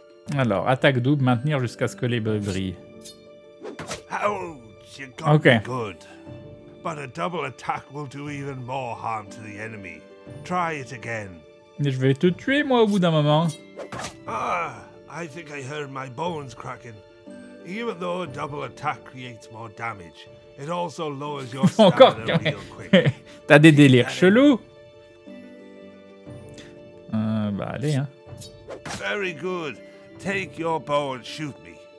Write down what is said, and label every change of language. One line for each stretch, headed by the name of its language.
French: Alors, attaque double, maintenir jusqu'à ce que les bœufs brillent.
English: Ouch, you got okay. Me good. But a double attack will do even more harm to the enemy. Try it again.
French: Mais je vais te tuer, moi, au bout d'un moment.
English: Ah, I think I heard my bones cracking. Even though a double attack creates more damage, it also lowers your stamina
French: encore,
English: real quick.
French: T'as des délires chelous. Bah allez, hein.
English: Very good. Take your bow and shoot me.